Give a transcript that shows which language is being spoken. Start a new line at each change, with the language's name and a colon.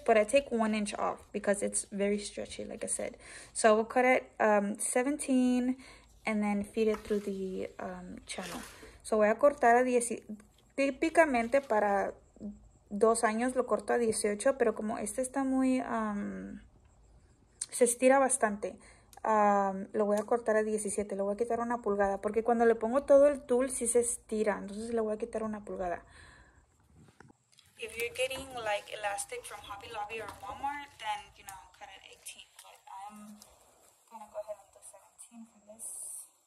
English: But I take 1 inch off because it's very stretchy, like I said. So, we'll cut it 17 and then feed it through the channel.
Spanish: So, voy a cortar a 10. Típicamente, para 2 años lo corto a 18, pero como este está muy, se estira bastante, lo voy a cortar a 17, le voy a quitar una pulgada, porque cuando le pongo todo el tul sí se estira, entonces le voy a quitar una pulgada.
English: If you're getting like elastic from Hobby Lobby or Walmart, then, you know, cut it 18, but I'm gonna go ahead and do 17 for this.